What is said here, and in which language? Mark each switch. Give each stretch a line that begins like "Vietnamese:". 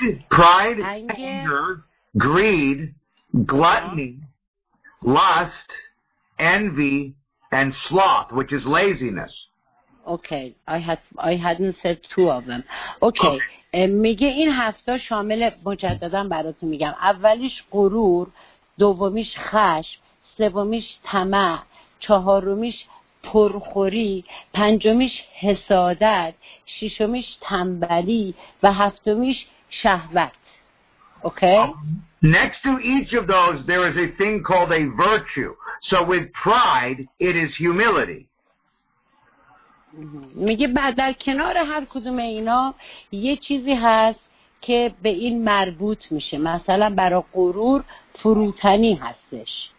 English: anger, greed, gluttony, lust, envy, and sloth, which is laziness. Okay, I hadn't said two of them.
Persian: Okay, میگه این هفتا شامل مجددن براتون میگم. اولیش غرور، دومیش خشم، سومیش طمع، چهارمیش پرخوری، پنجمیش حسادت، ششمیش تنبلی و هفتمیش شهوت.
English: Okay? Next to each of those, there is a thing called a virtue. So with pride, it is humility.
Persian: میگه بعد در کنار هر کدوم اینا یه چیزی هست که به این مربوط میشه. مثلا برای غرور فروتنی هستش.